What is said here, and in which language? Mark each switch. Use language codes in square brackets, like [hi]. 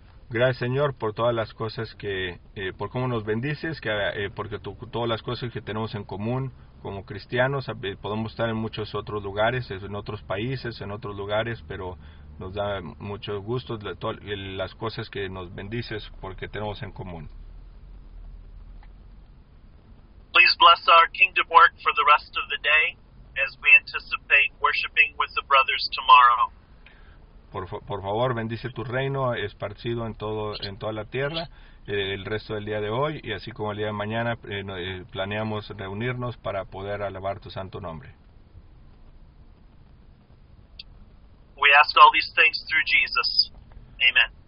[es] Gracias, Señor, por todas las cosas que, por cómo nos bendices, que porque todas las cosas que tenemos en común como cristianos, podemos estar en muchos otros lugares, en otros países, en otros lugares, pero nos da mucho gusto las cosas que nos bendices porque tenemos en común. [en] Please bless our kingdom work for the rest of the day as we anticipate worshiping with the brothers tomorrow. [es] Por favor, bendice tu reino esparcido en toda la tierra el resto del día de hoy, y así como el día de mañana planeamos reunirnos para poder alabar tu santo nombre. [en] We ask all these things through Jesus. Amen.